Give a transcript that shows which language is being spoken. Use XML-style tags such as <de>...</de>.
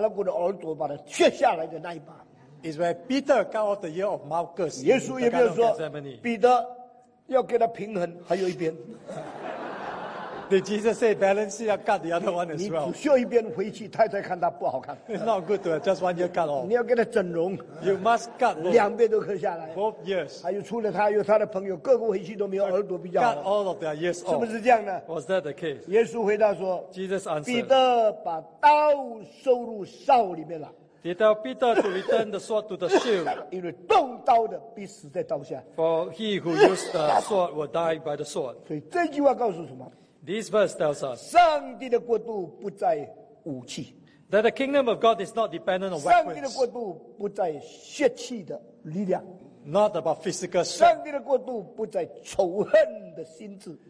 <zh>是比拉多在克西马尼园把马勒古的耳朵把它削下来的那一把。</zh> <en>It's where Peter got off the ear of Malchus.</en> <zh>耶稣也没有说, 彼得要给他平衡还有一边。</zh> <en>Did Jesus say balance it, cut the other one as well?</en> <zh>你修一边回去，太太看他不好看。</zh> <en>It's not good to just one ear cut off.</en> <zh>你要给他整容。</zh> <en>You must cut both.</en> <zh>两边都刻下来。</zh> <en>Both ears.</en> <zh>还有除了他，有他的朋友，各个回去都没有耳朵比较好。</zh> <en>Cut all of their ears off.</en> <zh>是不是这样的？</zh> <en>Was that the case?</en> <zh>耶稣回答说，</zh> <en>Jesus answered,</en> <zh>彼得把刀收入鞘里面了。</zh> <en>He told Peter to return the sword to the shield. For he who used the sword will die by the sword.</en> <zh>所以这句话告诉什么?</zh> <en>This verse tells us,</en> <zh>上帝的国度不在武器,</zh> <en>that the kingdom of God is not dependent on weapons.</en> <zh>上帝的国度不在血气的力量,</zh> <en>not about physical strength.</en> <zh>上帝的国度不在仇恨的心智。</zh>